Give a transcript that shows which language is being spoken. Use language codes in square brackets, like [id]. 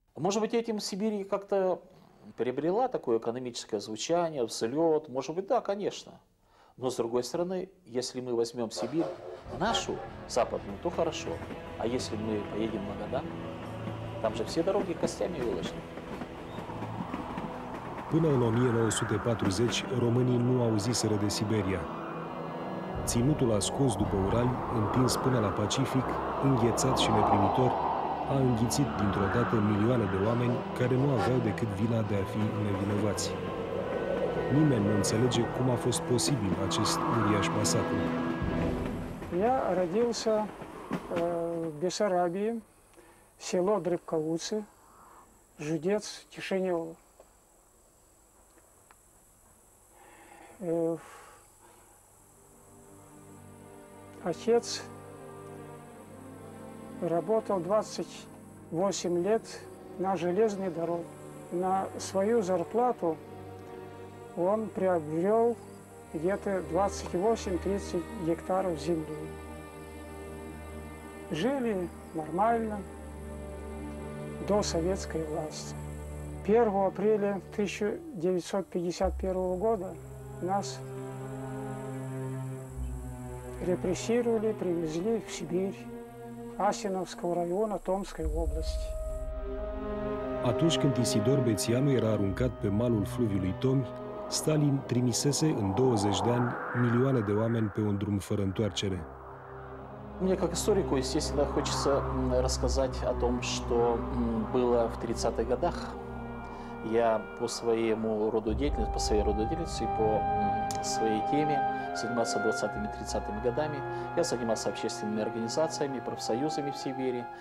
[ru] Может быть, этим Сибирь как-то приобрела такое экономическое звучание, взлет, может быть, да, конечно. Но, с другой стороны, если мы возьмем Сибирь, нашу, западную, то хорошо. А если мы поедем в Магадан, там же все дороги костями выложены. [ro] Până în 1940, românii nu auziseră de Siberia. Ținutul ascuns după Ural, împins până la Pacific, înghețat și neprimitor, a înghițit dintr-o dată milioane de oameni care nu aveau decât vina de a fi nevinovați. Nimeni nu înțelege cum a fost posibil acest uriaș masacru. [ru] Я родился в Бессарабии, село Дребковуце, județ Тишинева. Отец работал 28 лет на железной дороге. На свою зарплату он приобрел где-то 28-30 гектаров земли. Жили нормально до советской власти. 1 апреля 1951 года нас репрессировали, привезли в Сибирь, Асиновского района, Томской области. [ro] Atunci când Isidor Bețianu era aruncat pe malul fluviului Tomi, Stalin trimisese în 20 de ani milioane de oameni pe un drum fără întoarcere. [ru] Мне как историку, естественно, хочется рассказать о том, что было в 30-х годах. Я по своему роду деятельности, по своей роду деятельности, по своей теме занимался 20-30-ми годами. Я занимался общественными организациями, профсоюзами в Сибири.